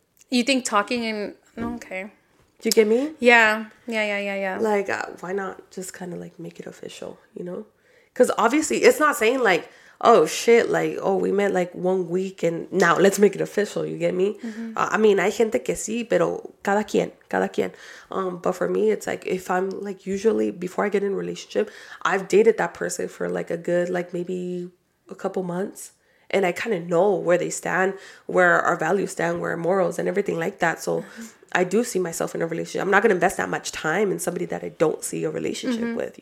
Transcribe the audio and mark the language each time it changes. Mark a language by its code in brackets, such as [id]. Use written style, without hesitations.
[en] You think talking and... Okay. Do you get me? Yeah. Like, why not just kind of, like, make it official, you know? Because obviously, it's not saying, like, oh, shit, like, oh, we met, like, 1 week and now let's make it official. You get me? Mm-hmm. I mean, [es] hay gente que sí, pero cada quien. [en] But for me, it's like, if I'm, like, usually, before I get in a relationship, I've dated that person for, like, a good, like, maybe a couple months. And I kind of know where they stand, where our values stand, where our morals and everything like that. So... Mm-hmm. I do see myself in a relationship. I'm not going to invest that much time in somebody that I don't see a relationship mm-hmm.